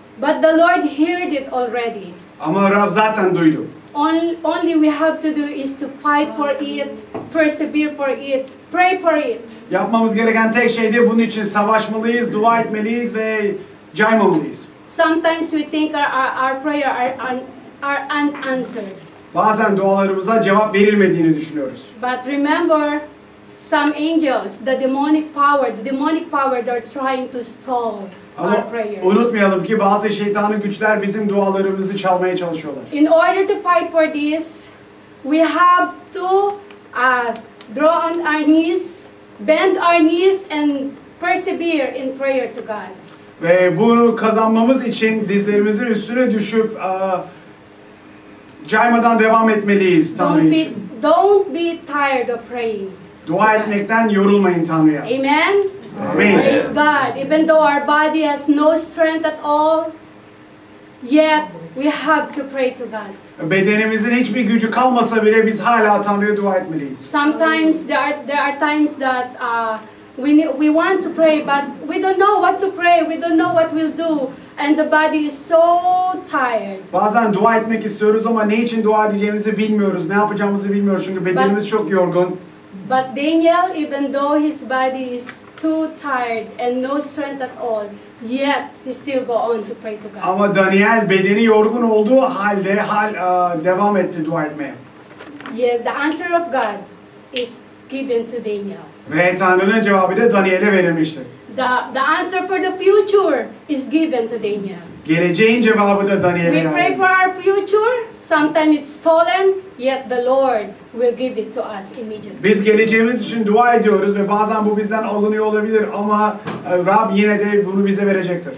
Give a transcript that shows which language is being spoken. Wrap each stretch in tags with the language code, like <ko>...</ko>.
<en>But the Lord heard it already.</en> <tr>Ama Rab zaten duydu.</tr> <en>Only we have to do is to fight for it, persevere for it, pray for it.</en> <tr>Yapmamız gereken tek şey de bunun için savaşmalıyız, dua etmeliyiz ve caymamalıyız.</tr> <en>Sometimes we think our prayer are unanswered.</en> <tr>Bazen dualarımıza cevap verilmediğini düşünüyoruz.</tr> <en>But remember, some angels, the demonic power, they're trying to stall.</en> <tr>Ama unutmayalım ki bazı şeytanın güçler bizim dualarımızı çalmaya çalışıyorlar.</tr> <en>In order to fight for this, we have to draw on our knees, bend our knees and persevere in prayer to God.</en> <tr>Ve bunu kazanmamız için dizlerimizin üstüne düşüp caymadan devam etmeliyiz Tanrı için.</tr> <en>Don't be tired of praying.</en> <tr>Dua etmekten yorulmayın Tanrı'ya. Amen. Amen.</tr> <en>Praise God. Even though our body has no strength at all, yet we have to pray to God.</en> <tr>Bedenimizin hiçbir gücü kalmasa bile biz hala Tanrı'ya dua etmeliyiz.</tr> <en>Sometimes there are times that we want to pray but we don't know what to pray, we don't know what we'll do and the body is so tired.</en> <tr>Bazen dua etmek istiyoruz ama ne için dua edeceğimizi bilmiyoruz, ne yapacağımızı bilmiyoruz çünkü bedenimiz çok yorgun.</tr> <en>But Daniel, even though his body is too tired and no strength at all, yet he still go on to pray to God.</en> <tr>Ama Daniel bedeni yorgun olduğu halde devam etti dua etmeye.</tr> <en>Yeah, the answer of God is given to Daniel.</en> <tr>Ve Tanrı'nın cevabı da Daniel'e verilmiştir.</tr> <en>The answer for the future is given to Daniel.</en> <tr>Geleceğin cevabı da Daniel'e verilmiştir.</tr> <en>We pray for our future, sometimes it's stolen. Yet the Lord will give it to us immediately.</en> <tr>Biz geleceğimiz için dua ediyoruz ve bazen bu bizden alınıyor olabilir ama Rab yine de bunu bize verecektir.</tr>